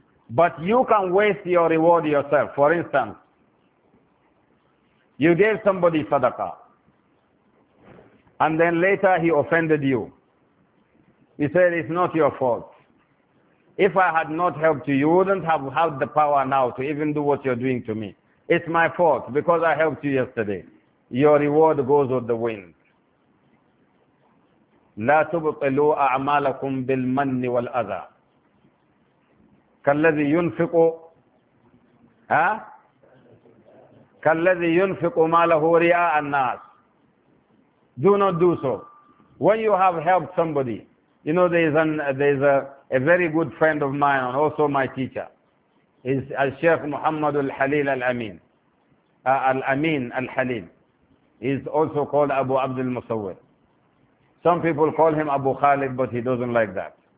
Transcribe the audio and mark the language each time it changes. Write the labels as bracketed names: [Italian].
[English] But you can waste your reward yourself. For instance, you gave somebody sadaqah, and then later he offended you. He said, it's not your fault. If I had not helped you, you wouldn't have had the power now to even do what you're doing to me. It's my fault because I helped you yesterday. Your reward goes with the wind. [Arabic] لا تبطلوا أعمالكم بالمن والأذى كالذي ينفق كالذي ينفق ماله رياء الناس. [English] Do not do so. When you have helped somebody, you know, there is a very good friend of mine and also my teacher. He's Al-Sheikh Muhammad Al-Halil Al-Amin. Al-Amin Al-Halil. He's also called Abu Abdul Musawwir. Some people call him Abu Khalid, but he doesn't like that.